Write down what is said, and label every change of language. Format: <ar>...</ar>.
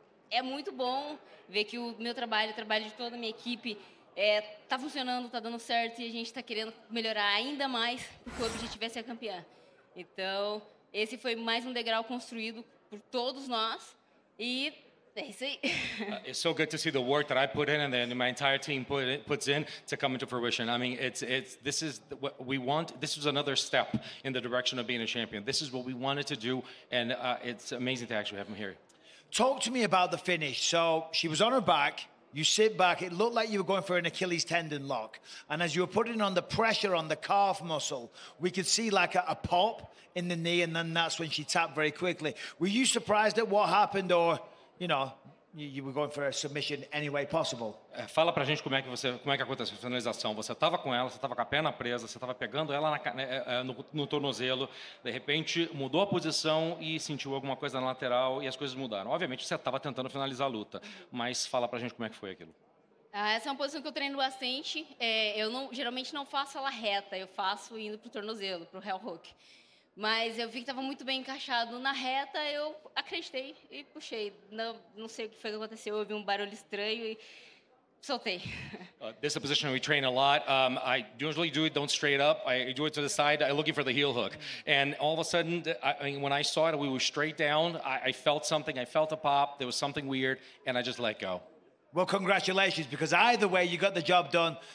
<pt>É muito bom ver que o meu trabalho, o trabalho de toda a minha equipe, tá funcionando, tá dando certo e a gente tá querendo melhorar ainda mais porque o objetivo é ser campeã. Então, esse foi mais um degrau construído por todos nós e é isso aí.</pt> <en>It's so good to see the work that I put in and then my entire team puts in to come into fruition. I mean, this is what we want. This is another step in the direction of being a champion. This is what we wanted to do and it's amazing to actually have him here. Talk to me about the finish. So she was on her back. You sit back. It looked like you were going for an Achilles tendon lock. And as you were putting on the pressure on the calf muscle, we could see like a pop in the knee. And then that's when she tapped very quickly. Were you surprised at what happened or, you know, you were going for a submission any way possible?</en> <pt>Fala pra gente como é que aconteceu a finalização. Você tava com ela, você tava com a perna presa, você tava pegando ela no tornozelo, de repente mudou a posição e sentiu alguma coisa na lateral e as coisas mudaram. Obviamente você tava tentando finalizar a luta, mas fala pra gente como é que foi aquilo. Ah, essa é uma posição que eu treino bastante. Eu não, geralmente não faço ela reta, eu faço indo pro tornozelo, pro heel hook. Mas eu vi que estava muito bem encaixado na reta, eu acreditei e puxei. Não sei o que foi que aconteceu, eu ouvi barulho estranho e soltei.</pt> <en>This is a position we train a lot. I usually do it, don't straight up. I do it to the side, I'm looking for the heel hook. And all of a sudden, when I saw it, we were straight down. I felt something, I felt a pop, there was something weird, and I just let go. Well, congratulations, because either way, you got the job done.</en>